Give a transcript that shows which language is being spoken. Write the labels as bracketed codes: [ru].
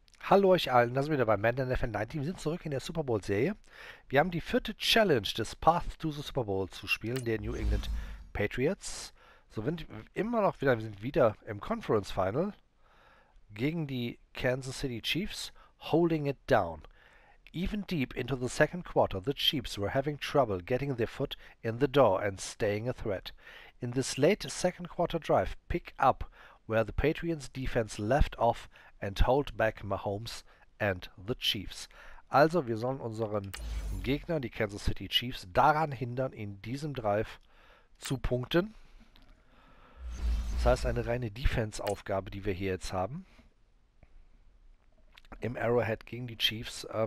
[de] Hallo euch allen, da sind wir wieder bei Madden NFL 19. Wir sind zurück in der Super Bowl-Serie. Wir haben die vierte Challenge des Path to the Super Bowl zu spielen, der New England Patriots. So, wir sind wieder im Conference Final gegen die Kansas City Chiefs, [en] holding it down. Even deep into the second quarter, the Chiefs were having trouble getting their foot in the door and staying a threat. In this late second quarter drive, pick up where the Patriots defense left off. And hold back Mahomes and the Chiefs. [de] Also, wir sollen unseren Gegnern, die Kansas City Chiefs, daran hindern, in diesem Drive zu punkten. Das heißt, eine reine Defense-Aufgabe, die wir hier jetzt haben. Im Arrowhead gegen die Chiefs.